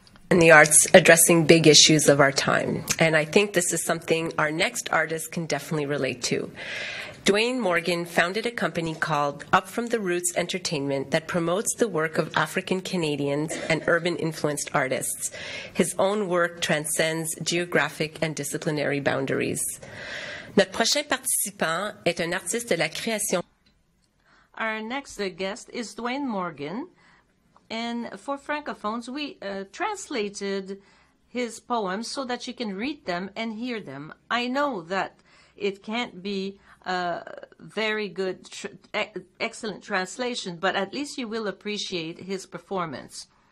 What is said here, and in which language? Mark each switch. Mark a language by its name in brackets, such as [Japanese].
[English] And the arts addressing big issues of our time. And I think this is something our next artist can definitely relate to. Dwayne Morgan founded a company called Up From The Roots Entertainment that promotes the work of African Canadians and urban influenced artists. His own work transcends geographic and disciplinary boundaries. [French] Notre prochain participant est un artiste de la création. [English] Our next guest is Dwayne Morgan. And for Francophones, we translated his poems so that you can read them and hear them. I know that it can't be a very good, excellent translation, but at least you will appreciate his performance.